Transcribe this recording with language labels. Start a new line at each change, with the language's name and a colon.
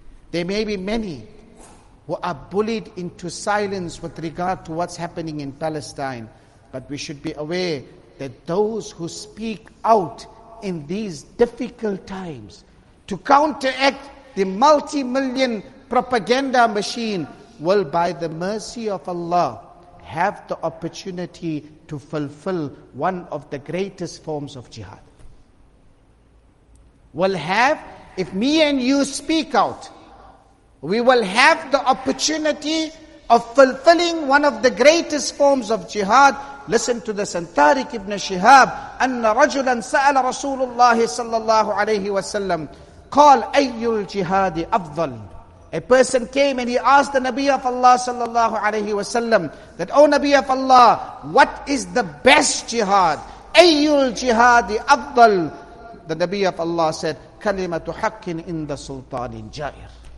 English: There may be many who are bullied into silence with regard to what's happening in Palestine, but we should be aware that those who speak out in these difficult times to counteract the multi-million propaganda machine will, by the mercy of Allah, have the opportunity to fulfill one of the greatest forms of jihad. Will have, if me and you speak out, we will have the opportunity of fulfilling one of the greatest forms of jihad. Listen to this.
Arabic: And Tariq ibn Shihab, أَنَّ رَجُلًا سَأَلَ رَسُولُ اللَّهِ صَلَّى اللَّهُ عَلَيْهِ وَسَلَّمُ قال أي الجهاد أفضل
English: A person came and he asked the Nabi of Allah sallallahu alayhi wa sallam, that, O Nabi of Allah, what is the best jihad?
Arabic: Ayyul jihadi afdal?
English: The Nabi of Allah said,
Arabic: kalimatu haqqin inda sultanin jair.